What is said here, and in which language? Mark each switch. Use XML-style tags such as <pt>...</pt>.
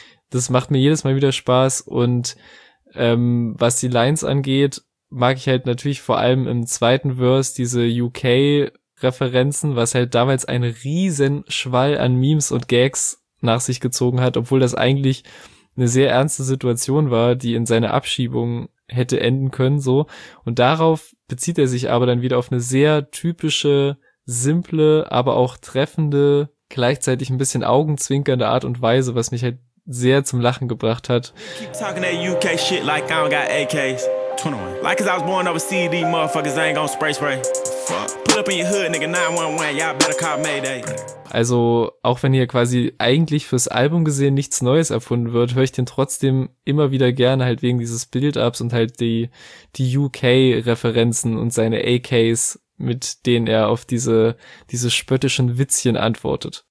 <de>Das macht mir jedes Mal wieder Spaß und was die Lines angeht, mag ich halt natürlich vor allem im zweiten Verse diese UK-Referenzen, was halt damals einen riesen Schwall an Memes und Gags nach sich gezogen hat, obwohl das eigentlich eine sehr ernste Situation war, die in seiner Abschiebung hätte enden können, so. Und darauf bezieht er sich aber dann wieder auf eine sehr typische, simple, aber auch treffende, gleichzeitig ein bisschen augenzwinkernde Art und Weise, was mich halt sehr zum Lachen gebracht hat.</de> <en>Keep talking that UK shit like I don't got AKs. 21. Like cause I was born up a CD, motherfuckers ain't gonna spray. Pull up in your hood, nigga, 911, y'all better call Mayday.</en> <de>Also, auch wenn hier quasi eigentlich fürs Album gesehen nichts Neues erfunden wird, höre ich den trotzdem immer wieder gerne, halt wegen dieses Build-Ups und halt die UK-Referenzen und seine AKs, mit denen er auf diese spöttischen Witzchen antwortet.</de>